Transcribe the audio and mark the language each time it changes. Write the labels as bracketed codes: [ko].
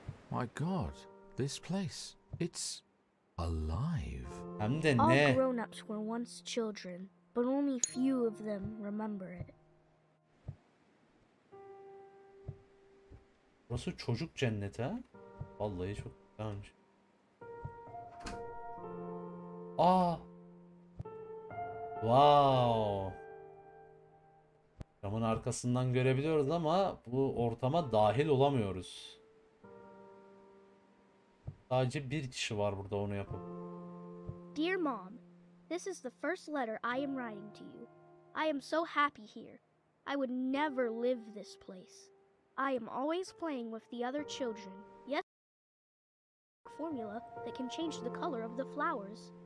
[en] My God, this place, it's alive. [tr] Hem de ne? [en] All grown-ups were once children, but only few of them remember it. [tr] Burası çocuk cenneti ha? Vallahi çok güzelmiş. Aa! Wow! Camın arkasından görebiliyoruz ama bu ortama dahil olamıyoruz. Sadece bir kişi var burada onu yapıp. [en] Dear Mom, this is the first letter I am writing to you. I am so happy here. I would never live this place. I am always playing with the other children. Yes, formula that can change the color of the flowers.